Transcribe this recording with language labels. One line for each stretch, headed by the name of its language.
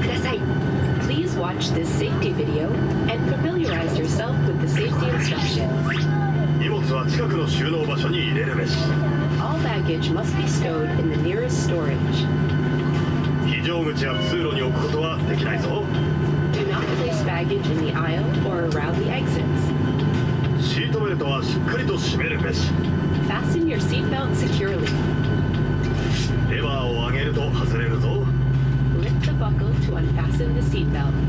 English: Please watch this safety video and familiarize yourself with the safety instructions.
Japanese: 荷物は近くの収納場所に入れるべし。
English: All baggage must be stowed in the nearest storage.
Japanese: 非常口や通路に置くことはできないぞ。
English: Do not place baggage in the aisle or around the exits.
Japanese: シートベルトはしっかりと締めるべし。
English: Fasten your seatbelt securely.
Japanese: レバーを上げると外れるぞ。
English: Lift the buckle to unfasten the seatbelt.